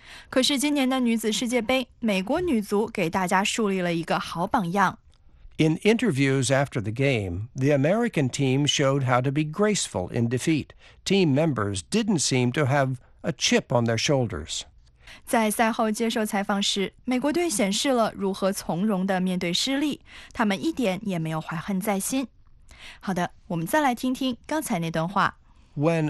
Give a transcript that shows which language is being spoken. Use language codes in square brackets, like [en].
[zh] 可是今年的女子世界杯，美国女足给大家树立了一个好榜样。 [en] In interviews after the game, the American team showed how to be graceful in defeat. Team members didn't seem to have a chip on their shoulders. [zh] 在赛后接受采访时，美国队显示了如何从容地面对失利，他们一点也没有怀恨在心。好的，我们再来听听刚才那段话。When